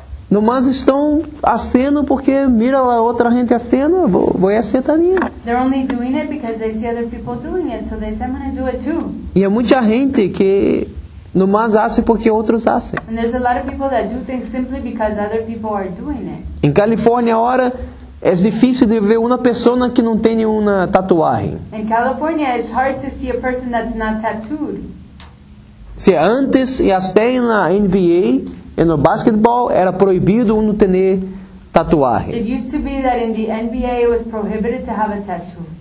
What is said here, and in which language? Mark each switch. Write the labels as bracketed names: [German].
[Spanish] Nomás están haciendo porque mira la otra gente haciendo, voy a hacer también. [English] They're only doing it because they see other people doing it, so they say I'm going to do it too. [Spanish] Y hay mucha gente que no más hace porque otros hacen. [English] And there's a lot of people that do things simply because other people are doing it. [Spanish] En California ahora es difícil de ver una persona que no tiene una tatuaje. [English] In California it's hard to see a person that's not tattooed. [Spanish] Si antes y hasta en la NBA en el basketball era prohibido uno tener tatuaje. [English] It used to be that in the NBA it was prohibited to have a tattoo.